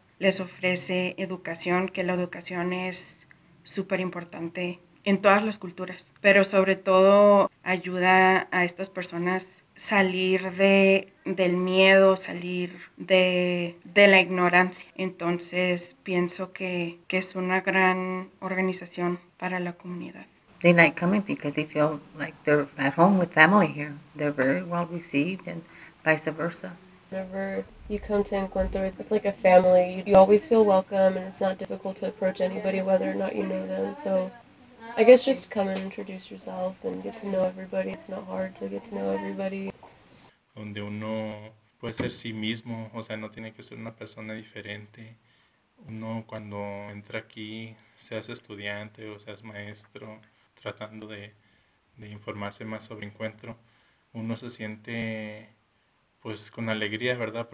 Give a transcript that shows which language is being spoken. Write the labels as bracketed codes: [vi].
[es] Les ofrece educación, que la educación es súper importante en todas las culturas, pero sobre todo ayuda a estas personas salir del miedo, salir de la ignorancia. Entonces pienso que es una gran organización para la comunidad. [en] They like coming because they feel like they're at home with family here. They're very well received and vice versa. Whenever you come to Encuentro, it's like a family. You always feel welcome and it's not difficult to approach anybody whether or not you know them. So I guess just come and introduce yourself and get to know everybody. It's not hard to get to know everybody. [es] Donde uno puede ser sí mismo, o sea, no tiene que ser una persona diferente. Uno cuando entra aquí, seas estudiante o seas maestro, tratando de informarse más sobre encuentro, uno se siente pues con alegría, ¿verdad?